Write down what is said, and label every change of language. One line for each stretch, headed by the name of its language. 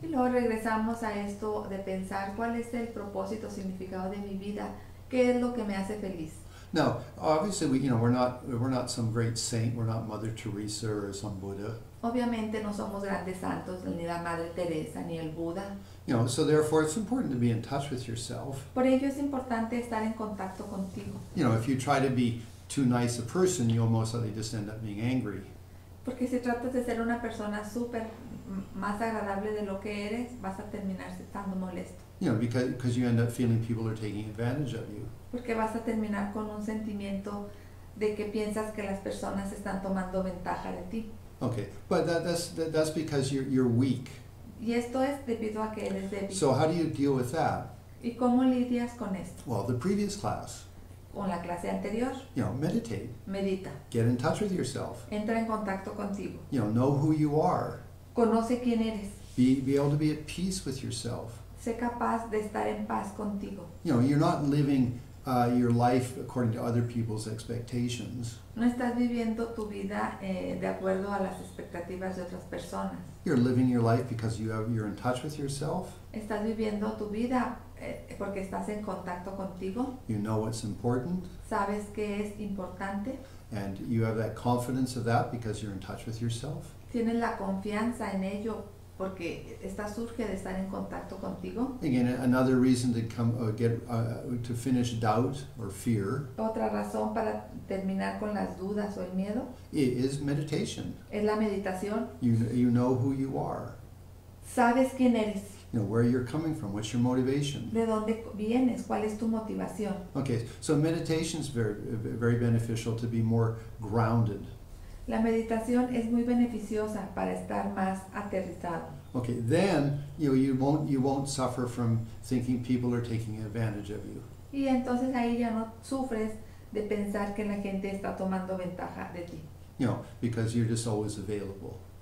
Spanish: Y luego regresamos a esto de pensar cuál es el propósito, significado de mi vida, qué es lo que me hace feliz.
English: Now, obviously, we're not some great saint. We're not Mother Teresa or some Buddha.
Spanish: Obviamente, no somos grandes santos, ni la Madre Teresa ni el Buda.
English: You know, so therefore, it's important to be in touch with yourself.
Spanish: Por ello es importante estar en contacto contigo.
English: You know, if you try to be too nice a person, you'll most likely just end up being angry.
Spanish: Porque si tratas de ser una persona súper más agradable de lo que eres, vas a terminar estando molesto.
English: You know, because you end up feeling people are taking advantage of you.
Spanish: Porque vas a terminar con un sentimiento de que piensas que las personas están tomando ventaja de ti.
English: Okay, but that's because you're weak.
Spanish: Y esto es debido a que eres débil.
English: So how do you deal with that?
Spanish: ¿Y cómo lidias con esto?
English: Well, the previous class.
Spanish: Con la clase anterior.
English: You know, meditate.
Spanish: Medita.
English: Get in touch with yourself.
Spanish: Entra en contacto contigo.
English: You know who you are.
Spanish: Conoce quién eres.
English: Be able to be at peace with yourself.
Spanish: Sé capaz de estar en paz contigo.
English: You know, you're not living your life according to other people's expectations.
Spanish: No estás viviendo tu vida de acuerdo a las expectativas de otras personas.
English: You're living your life because you're in touch with yourself.
Spanish: Estás viviendo tu vida porque estás en contacto contigo.
English: You know what's important.
Spanish: Sabes qué es importante.
English: And you have that confidence of that because you're in touch with yourself.
Spanish: Tienes la confianza en ello porque esta surge de estar en contacto contigo.
English: Again, another reason to come get to finish doubt or fear.
Spanish: Otra razón para terminar con las dudas o el miedo.
English: It is meditation.
Spanish: Es la meditación.
English: You know who you are.
Spanish: Sabes quién eres.
English: You know where you're coming from. What's your motivation?
Spanish: De dónde vienes. ¿Cuál es tu motivación?
English: Okay, so meditation is very, very beneficial to be more grounded.
Spanish: La meditación es muy beneficiosa para estar más aterrizado.
English: Okay, then you won't suffer from thinking people are taking advantage of you.
Spanish: Y entonces ahí ya no sufres de pensar que la gente está tomando ventaja de ti.
English: No, because you're just always available.